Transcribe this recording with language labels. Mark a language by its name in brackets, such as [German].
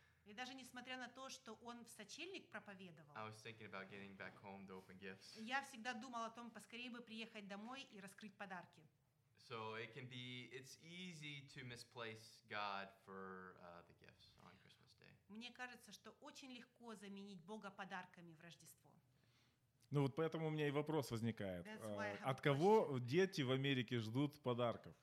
[Russian] И даже несмотря на то, что он в сочельник проповедовал. [English] I was thinking about getting back home to open gifts. [Russian] Я всегда думал о том, поскорее бы приехать домой и раскрыть подарки. [English] So it can be, it's easy to misplace God for the gifts on Christmas Day. [Russian] Мне кажется, что очень легко заменить Бога подарками в Рождество. Ну вот поэтому у меня и вопрос возникает. От кого дети в Америке ждут подарков?